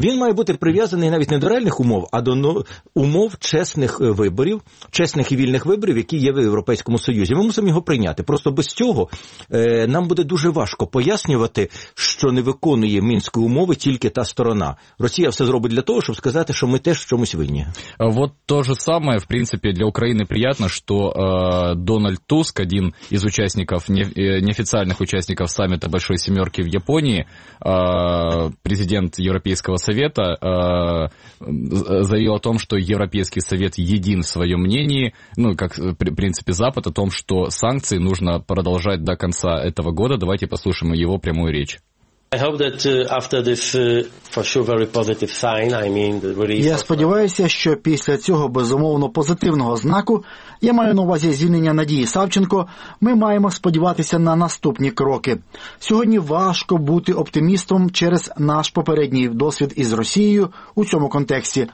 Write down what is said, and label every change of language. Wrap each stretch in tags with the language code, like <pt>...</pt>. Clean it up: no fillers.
<uk>Він має бути прив'язаний навіть не до реальних умов, а до умов чесних виборів, чесних і вільних виборів, які є в Європейському Союзі. Ми мусимо його прийняти. Просто без цього нам буде дуже важко пояснювати, що не виконує мінські умови тільки та сторона. Росія все зробить для того, щоб сказати, що ми теж в чомусь винні. От то же саме.</uk> <ru>В принципе, для Украины приятно, что Дональд Туск, один из участников, неофициальных участников саммита Большой Семерки в Японии, президент Европейского Совета, заявил о том, что Европейский Совет един в своем мнении, ну, как, в принципе, Запад, о том, что санкции нужно продолжать до конца этого года. Давайте послушаем его прямую речь.</ru> <uk>Я сподіваюся, що після цього безумовно позитивного знаку, я маю на увазі звільнення Надії Савченко, ми маємо сподіватися на наступні кроки. Сьогодні важко бути оптимістом через наш попередній досвід із Росією у цьому контексті.</uk>